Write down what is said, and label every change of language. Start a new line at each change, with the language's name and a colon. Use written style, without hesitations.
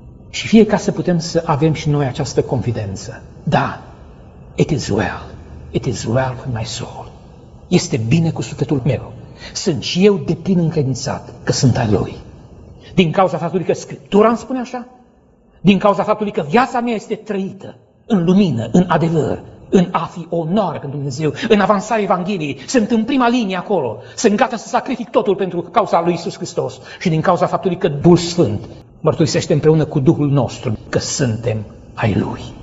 Romanian: Și fie ca să putem să avem și noi această confidență.
English: Da, it is well with my soul.
Romanian: Este bine cu sufletul meu. Sunt și eu deplin încredințat că sunt al Lui. Din cauza faptului că Scriptura îmi spune așa, din cauza faptului că viața mea este trăită în lumină, în adevăr, în a fi onoare pentru Dumnezeu, în avansarea Evangheliei, sunt în prima linie acolo, sunt gata să sacrific totul pentru cauza lui Iisus Hristos și din cauza faptului că Duhul Sfânt mărturisește împreună cu Duhul nostru că suntem ai Lui.